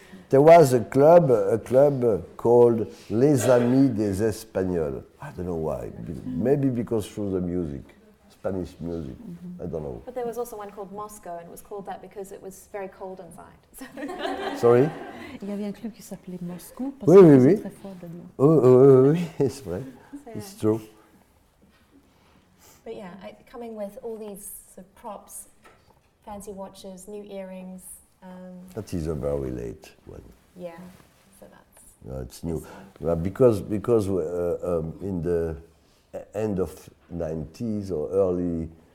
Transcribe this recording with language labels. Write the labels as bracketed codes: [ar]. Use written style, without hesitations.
[en] There was a club called Les Amis des Espagnols. I don't know why. Maybe because through the music, Spanish music. Mm-hmm. I don't know. But there was also one called Moscow, and it was called that because it was very cold inside. So sorry? [fr] Il y avait un club qui s'appelait Moscou parce que c'était très fort dedans. Oui, c'est vrai. [en] It's true. But yeah, coming with all these sort of props, fancy watches, new earrings. That is a very late one. Yeah, so that's... It's new. Well, because in the end of 90s or early...